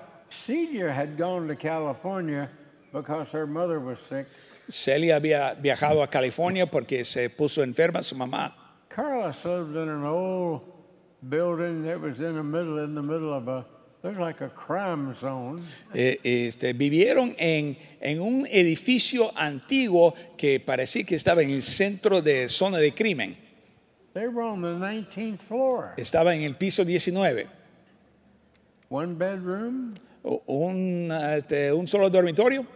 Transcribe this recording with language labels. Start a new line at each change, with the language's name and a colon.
English: Celia had gone to California because her mother was sick.
Spanish: Celia había viajado a California porque se puso enferma su mamá.
English: Carlos lived in an old building that was in the middle of a, looked like a crime zone.
Spanish: Vivieron en un edificio antiguo que parecía que estaba en el centro de zona de crimen.
English: They were on the 19th floor.
Spanish: Estaba en el piso 19.
English: One bedroom.
Spanish: Un solo dormitorio.